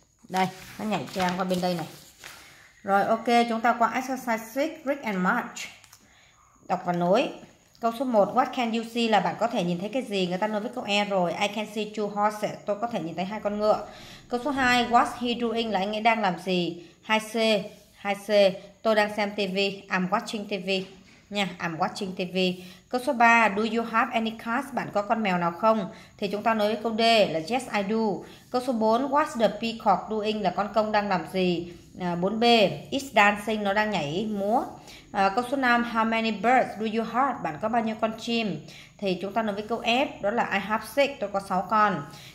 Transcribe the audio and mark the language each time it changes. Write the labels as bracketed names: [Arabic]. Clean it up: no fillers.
[Vietnamese] Đây, nó nhảy trang qua bên đây này. Rồi ok, chúng ta qua exercise 6, [English] read and match. [Vietnamese] Đọc và nối. Câu số 1, [English] what can you see [Vietnamese] là bạn có thể nhìn thấy cái gì? Người ta nói với câu E rồi. [English] I can see two horses, [Vietnamese] tôi có thể nhìn thấy hai con ngựa. Câu số 2, [English] what's he doing [Vietnamese] là anh ấy đang làm gì? 2C, tôi đang xem TV. [English] I'm watching TV nha, I'm watching TV. [Vietnamese] Câu số 3, [English] do you have any cats? [Vietnamese] Bạn có con mèo nào không? Thì chúng ta nói với câu D là [English] yes I do. [Vietnamese] Câu số 4, [English] what's the peacock doing [Vietnamese] là con công đang làm gì? [English] 4B, it's dancing, [Vietnamese] nó đang nhảy múa. Câu số 5, [English] how many birds do you have? [Vietnamese] Bạn có bao nhiêu con chim? Thì chúng ta nói với câu F, đó là [English] I have 6, [Vietnamese] tôi có 6 con.